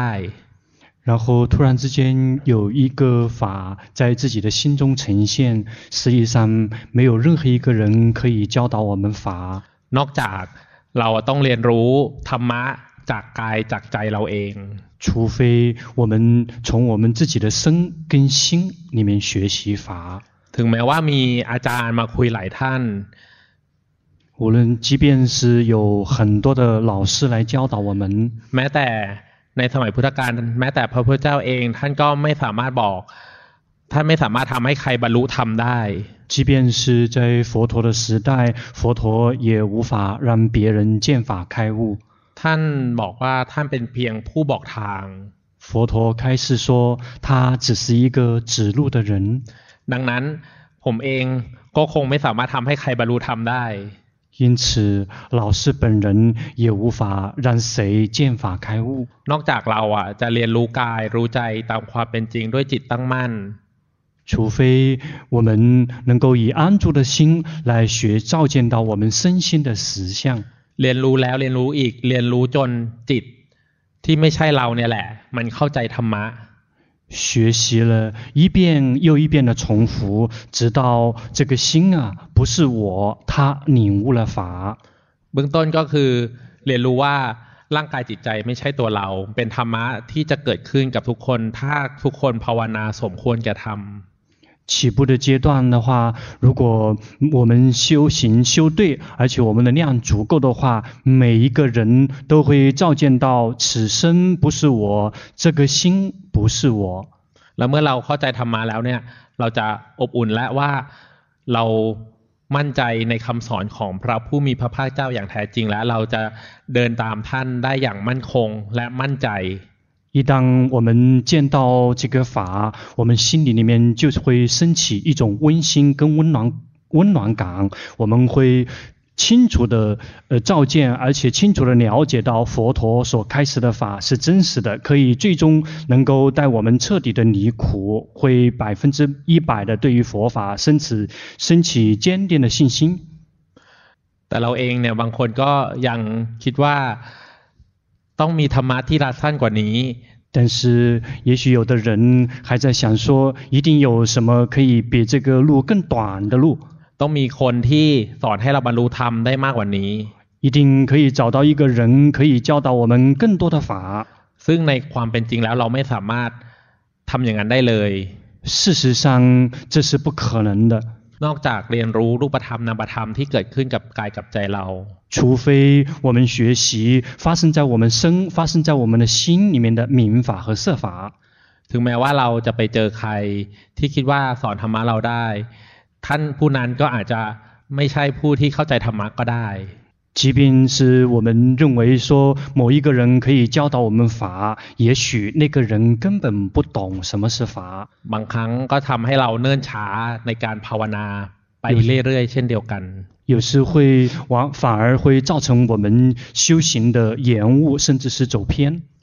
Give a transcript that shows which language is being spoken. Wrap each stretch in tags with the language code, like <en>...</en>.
<zh>然后突然之间有一个法在自己的心中呈现实际上没有任何一个人可以教导我们法</zh> <th>นอกจากเราต้องเรียนรู้ธรรมะจากกายจากใจเราเอง</th> <zh>除非我们从我们自己的身跟心里面学习法</zh> <th>ถึงแม้ว่ามีอาจารย์มาคุยหลายท่าน</th> <zh>无论即便是有很多的老师来教导我们</zh> <th>แม้แต่ในสมัยพุทธกาลแม้แต่พระพุทธเจ้าเองท่านก็ไม่สามารถบอกท่านไม่สามารถทำให้ใครบรรลุธรรมได้</th> <zh>即便是在佛陀的时代佛陀也无法让别人见法开悟</zh> <th>ท่านบอกว่าท่านเป็นเพียงผู้บอกทาง</th> <zh>佛陀开始说他只是一个指路的人</zh> <th>ดังนั้นผมเองก็คงไม่สามารถทำให้ใครบรรลุธรรมได้</th> <zh>因此老师本人也无法让谁见法开悟</zh> <th>นอกจากเราจะเรียนรู้กายรู้ใจตามความเป็นจริงด้วยจิตตั้งมั่น</th> <zh>除非我们能够以安住的心来学照见到我们身心的实相</zh> <th>เรียนรู้แล้วเรียนรู้อีกเรียนรู้จนจิตที่ไม่ใช่เราเนี่ยแหละมันเข้าใจธรรมะ</th> <zh>学习了一遍又一遍的重复直到这个心啊不是我他领悟了法</zh> <th>เบื้องต้นก็คือเรียนรู้ว่าร่างกายจิตใจไม่ใช่ตัวเราเป็นธรรมะที่จะเกิดขึ้นกับทุกคนถ้าทุกคนภาวนาสมควรจะทำ</th> <zh>起步的阶段的话如果我们修行修对而且我们的量足够的话每一个人都会照见到此生不是我这个心不是我</zh> <th>แล้วเมื่อเราเข้าใจธรรมะแล้วเนี่ยเราจะอบอุ่นและว่าเรามั่นใจในคำสอนของพระผู้มีพระภาคเจ้าอย่างแท้จริงและเราจะเดินตามท่านได้อย่างมั่นคงและมั่นใจ</th> <zh>一旦我们见到这个法我们心里里面就会升起一种温馨跟温暖感我们会清楚的照见而且清楚的了解到佛陀所开始的法是真实的可以最终能够带我们彻底的离苦会100%的对于佛法升起坚定的信心</zh> <th>แต่เราเองเนี่ยบางคนก็ยังคิดว่าต้องมีธรรมะที่ละสั้นกว่านี้</th> <zh>但是也许有的人还在想说一定有什么可以比这个路更短的路</zh> <th>ต้องมีคนที่สอนให้เราบรรลุธรรมได้มากกว่านี้</th> <zh>一定可以找到一个人可以教导我们更多的法</zh> <th>ซึ่งในความเป็นจริงแล้วเราไม่สามารถทำอย่างนั้นได้เลย</th> <zh>事实上这是不可能的</zh> <th>นอกจากเรียนรู้รูปธรรมนามธรรมที่เกิดขึ้นกับกายกับใจเรา</th> <zh>除非我们学习发生在我们身发生在我们的心里面的明法和色法</zh> <th>ถึงแม้ว่าเราจะไปเจอใครที่คิดว่าสอนธรรมะเราได้ท่านผู้นั้นก็อาจจะไม่ใช่ผู้ที่เข้าใจธรรมะก็ได้</th> <zh>即便是我们认为说某一个人可以教导我们法也许那个人根本不懂什么是法</zh> <th>บางครั้งก็ทำให้เราเนิ่นช้าในการภาวนาไปเรื่อยๆเช่นเดียวกัน</th> <zh>有时会反而会造成我们修行的延误甚至是走偏</zh>